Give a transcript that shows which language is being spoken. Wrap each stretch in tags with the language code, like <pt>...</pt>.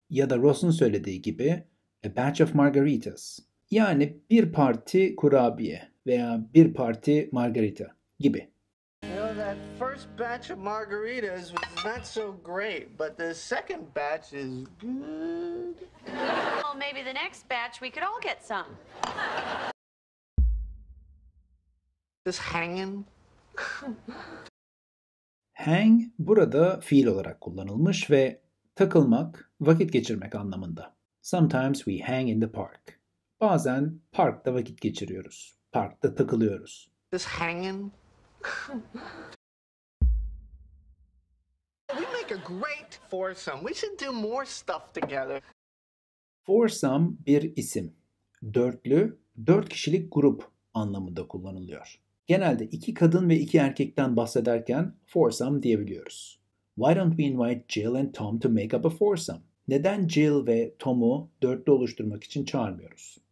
<tr>Ya da Ross'un söylediği gibi,</tr> <en>a batch of margaritas.</en> <tr>Yani bir parti kurabiye veya bir parti margarita gibi.</tr> <en>That first batch of margaritas was not so great, but the second batch is good. Well, maybe the next batch we could all get some. Just hanging.</en> <tr>Hang burada fiil olarak kullanılmış ve takılmak, vakit geçirmek anlamında.</tr> <en>Sometimes we hang in the park.</en> <tr>Bazen parkta vakit geçiriyoruz. Parkta takılıyoruz.</tr> <en>Just hanging. A great foursome. We should do more stuff together.</en> <tr>Foursome bir isim. Dörtlü, dört kişilik grup anlamında kullanılıyor. Genelde iki kadın ve iki erkekten bahsederken foursome diyebiliyoruz.</tr> <en>Why don't we invite Jill and Tom to make up a foursome?</en> <tr>Neden Jill ve Tom'u dörtlü oluşturmak için çağırmıyoruz?</tr>